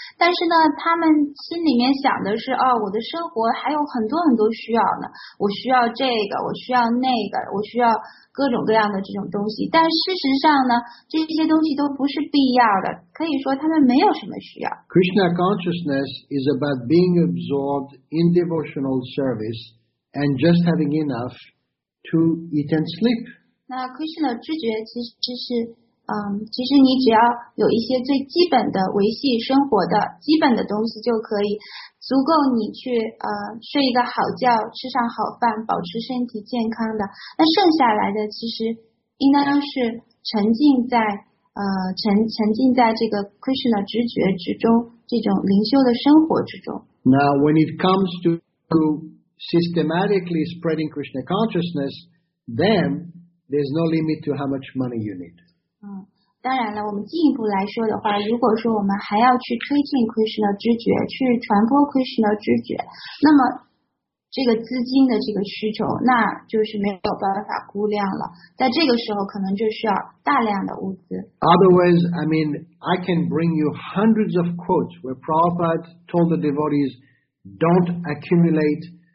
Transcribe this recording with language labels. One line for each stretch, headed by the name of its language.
Chinese: 但是呢，他们心里面想的是，哦，我的生活还有很多很多需要呢，我需要这个，我需要那个，我需要各种各样的这种东西。但事实上呢，这些东西都不是必要的，可以说他们没有什么需要。
English: Krishna consciousness is about being absorbed in devotional service and just having enough. To eat and sleep.
Chinese: 那 Krishna 知觉其实是，其实你只要有一些最基本的维系生活的基本的东西就可以，足够你去睡一个好觉，吃上好饭，保持身体健康的。那剩下来的其实应当是沉浸在这个 Krishna 知觉之中，这种灵修的生活之中。
English: Now when it comes to systematically spreading Krishna consciousness, then there's no limit to how much money you need.
Chinese: 当然了，我们进一步来说的话，如果说我们还要去推进 Krishna 知觉，去传播 Krishna 知觉，那么这个资金的这个需求，那就是没有办法估量了。在这个时候，可能就需要大量的物资。
English: Otherwise, I mean, I can bring you hundreds of quotes where Prabhupada told the devotees, don't accumulate.